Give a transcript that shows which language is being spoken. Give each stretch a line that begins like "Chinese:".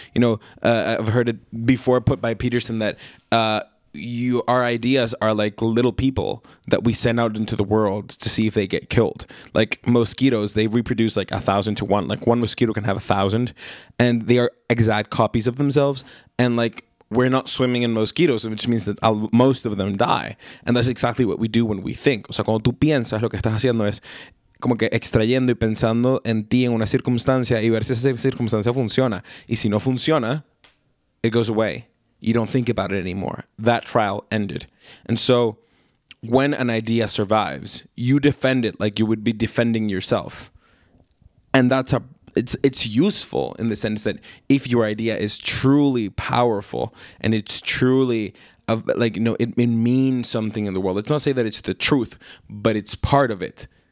English: You know, I've heard it before put by Peterson that our ideas are like little people that we send out into the world to see if they get killed. Like mosquitoes, they reproduce like 1,000 to 1. Like one mosquito can have 1,000, and they are exact copies of themselves. And like, we're not swimming in mosquitoes, which means that most of them die. And that's exactly what we do when we think.
Spanish: O sea, cuando tú piensas, lo que estás haciendo es como que extrayendo y pensando en ti en una circunstancia y ver si esa circunstancia funciona. Y si no funciona,
English: it goes away. You don't think about it anymore. That trial ended. And so when an idea survives, you defend it like you would be defending yourself. And that's it's useful in the sense that if your idea is truly powerful and it's truly it means something in the world. It's not say that it's the truth, but it's part of it.